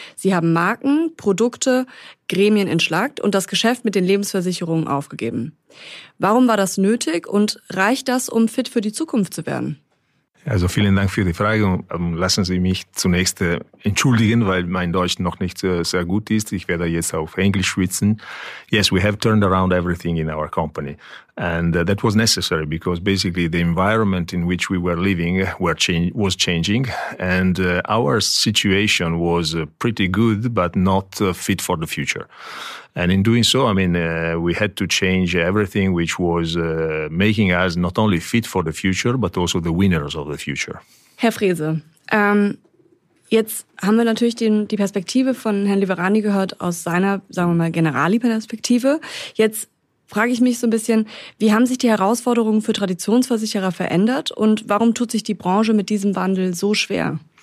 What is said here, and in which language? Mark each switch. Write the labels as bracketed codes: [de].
[de] Sie haben Marken, Produkte, Gremien entschlackt und das Geschäft mit den Lebensversicherungen aufgegeben. Warum war das nötig und reicht das, um fit für die Zukunft zu werden? Also vielen Dank für die Frage. Lassen Sie mich zunächst entschuldigen, weil mein Deutsch noch nicht sehr gut ist. Ich werde jetzt auf Englisch schwitzen. [en] Yes, we have turned around everything in our company. And that was necessary because basically the environment in which we were living was changing. And our situation was pretty good, but not fit for the future. And in doing so, I mean, we had to change everything which was making us not only fit for the future, but also the winners of the future. [de] Herr Frese, jetzt haben wir natürlich die Perspektive von Herrn Liverani gehört aus seiner, sagen wir mal, Generali-Perspektive. Jetzt frage ich mich so ein bisschen, wie haben sich die Herausforderungen für Traditionsversicherer verändert und warum tut sich die Branche mit diesem Wandel so schwer?